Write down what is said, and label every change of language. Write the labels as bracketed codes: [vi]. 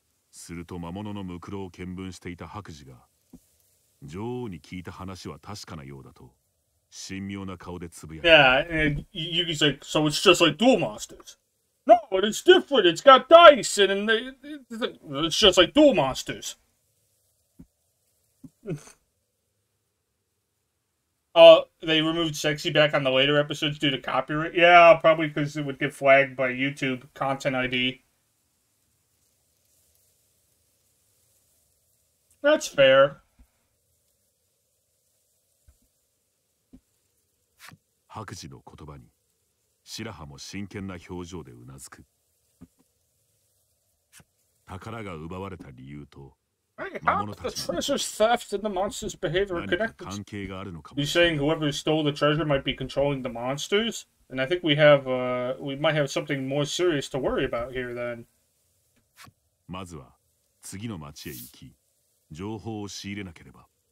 [ja] すると魔物のムクロを見聞していた白磁が、女王に聞いた話は確かなようだと、神妙な顔でつぶやいた。 [en] Yeah, and Yugi's like, so it's just like Duel Monsters. No, but it's different. It's got dice in it. It's just like Duel Monsters. they removed Sexy Back on the later episodes due to copyright? Yeah, probably because it would get flagged by YouTube Content ID. That's fair. [ja] 白磁の言葉に白羽も真剣な表情でうなずく。宝が奪われた理由と魔物たちの関係があるのかもしれない。何か関係があるのかもしれない。 [en] You're saying whoever stole the treasure might be controlling the monsters? And I think we might have something more serious to worry about here then. [ja] まずは次の町へ行き、情報を仕入れなければ。